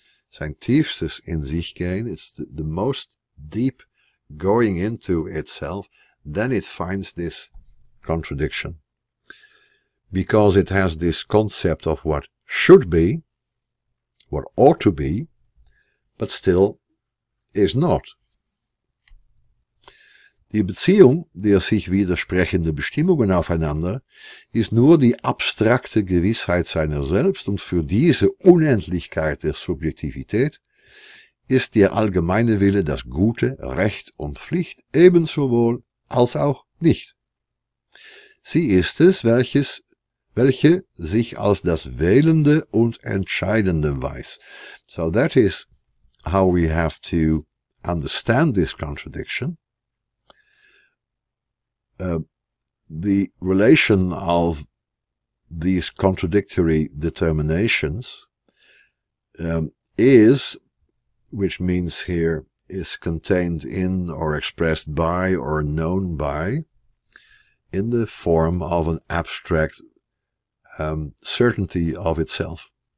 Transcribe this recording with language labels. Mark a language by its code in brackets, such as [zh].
[de] Sein tiefstes in sich gehen, [en] it's the most deep going into itself, then it finds this contradiction. Because it has this concept of what should be, what ought to be, but still is not. [de] Die Beziehung der sich widersprechenden Bestimmungen aufeinander ist nur die abstrakte Gewissheit seiner selbst und für diese Unendlichkeit der Subjektivität ist der allgemeine Wille das Gute, Recht und Pflicht ebenso wohl als auch nicht. Sie ist es, welche sich als das Wählende und Entscheidende weiß. [en] So that is how we have to understand this contradiction. The relation of these contradictory determinations is, which means here, is contained in or expressed by or known by, in the form of an abstract certainty of itself.